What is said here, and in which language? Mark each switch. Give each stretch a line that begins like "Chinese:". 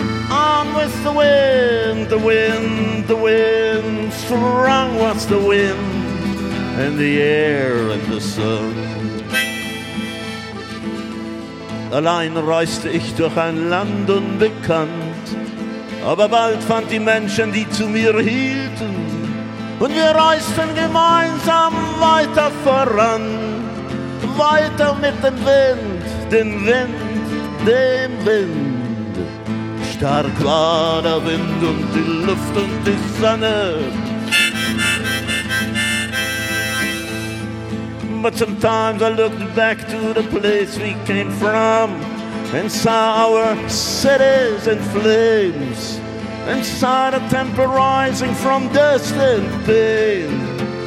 English: On with the wind, the wind, the wind. Strong was the wind, and the air and the sun.
German: Allein reiste ich durch ein Land unbekannt, aber bald fand die Menschen, die zu mir hielten, und wir reisten gemeinsam weiter voran. Weiter mit dem Wind, dem Wind, dem Wind. Stark war der Wind und die Luft und die Sonne.
English: But sometimes I looked back to the place we came from and saw our cities in flames and saw the temple rising from dust and pain.